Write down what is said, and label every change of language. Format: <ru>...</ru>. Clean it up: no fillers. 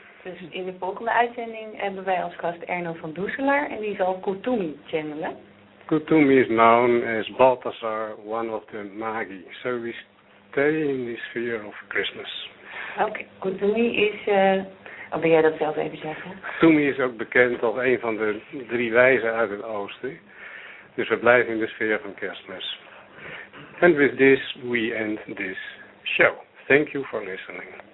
<nl>Dus in de volgende uitzending hebben wij als gast Erno van Dusselaar en die zal Kutumi channelen.</nl> <en>Kutumi is known as Balthasar, one of the Magi. So we stay in the sphere of Christmas. Oké, okay.</en> <nl>Kutumi is, wil jij dat zelf even zeggen? Kutumi is ook bekend als een van de drie wijzen uit het oosten. Dus we blijven in de sfeer van Kerstmis.</nl> <en>And with this we end this show. Thank you for listening.</en>